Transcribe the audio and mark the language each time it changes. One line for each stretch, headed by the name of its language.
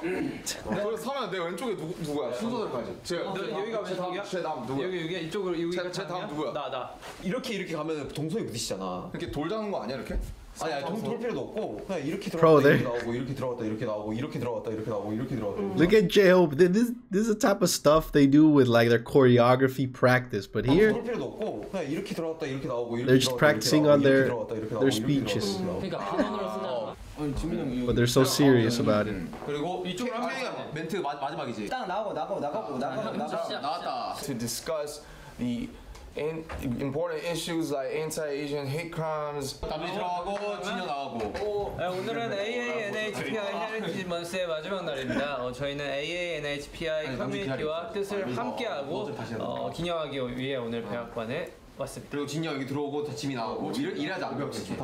Korean: 그럼 서면 내 왼쪽에 누구야? 순서대로 가야지. 여기가 왼쪽이야? 제 다음 누구야? 여기 이쪽으로 여기가 제 다음 누구야? 나. 이렇게 가면 동선이 부딪히잖아. 이렇게 돌자는 거 아니야, 이렇게? 아니야, 돌 필요도 없고 그냥 이렇게 들어갔다 이렇게 나오고 이렇게 들어갔다 이렇게 나오고 이렇게 들어갔다 이렇게 나오고 이렇게 들어갔다.
English: Look at J-Hope. This is the type of stuff they do with like their choreography practice. But here,
Korean: 돌 필요도 없고 그냥 이렇게 들어갔다 이렇게 나오고 이렇게
English: They're just practicing on their speeches.
Korean: 그러니까 단어로 쓰다.
English: But they're so serious about it.
Korean: 그리고 이쪽 한 명이 멘트 마지막이지. 딱 나가고 나왔다.
English: To discuss the important issues like anti-Asian hate crimes.
Korean: 담이 들어가고 진영 나가고. 오늘은 AANHPI 헤리티지 먼스의 마지막 날입니다. 저희는 AANHPI 커뮤니티와 뜻을 함께하고 기념하기 위해 오늘 백악관에 왔습니다. 그리고 진영 여기 들어오고 대침이 나오고 이래야지 안 벽지.